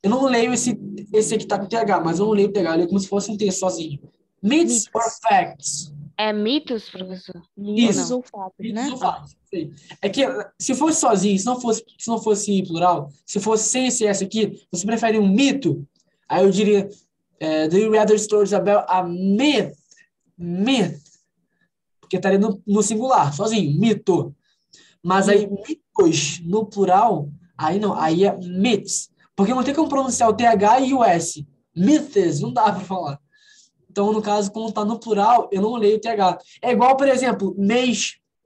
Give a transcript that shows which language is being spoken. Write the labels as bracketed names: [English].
[Portuguese] Eu não leio esse aqui tá com TH, mas eu não leio TH. Eu leio como se fosse um texto sozinho. [English] Myths or facts. [Portuguese] É mitos, professor? Isso. Mitos ou fatos, né? Ou fatos. É que se fosse sozinho, se não fosse plural, se fosse sem esse S aqui, você prefere um mito? Aí eu diria, [English] do you rather stories about a myth? [Portuguese] Myth, porque estaria no singular, sozinho, mito. Mas aí, mitos, no plural, aí não, aí é myths. Porque não tem como pronunciar o TH e o S. Myths, não dá pra falar. Então, no caso, como tá no plural, eu não leio o TH. É igual, por exemplo, mês.